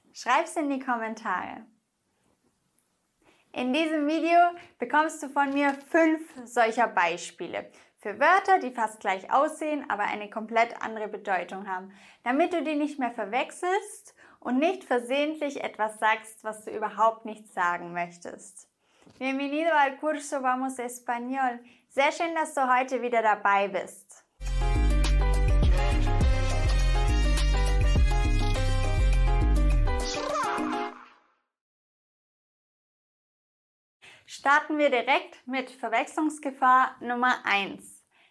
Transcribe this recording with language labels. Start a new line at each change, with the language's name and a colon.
German: Schreib's in die Kommentare. In diesem Video bekommst du von mir 5 solcher Beispiele für Wörter, die fast gleich aussehen, aber eine komplett andere Bedeutung haben, damit du die nicht mehr verwechselst und nicht versehentlich etwas sagst, was du überhaupt nicht sagen möchtest.
Spanish: Bienvenido al curso Vamos Español.
German: Sehr schön, dass du heute wieder dabei bist. Starten wir direkt mit Verwechslungsgefahr Nummer 1.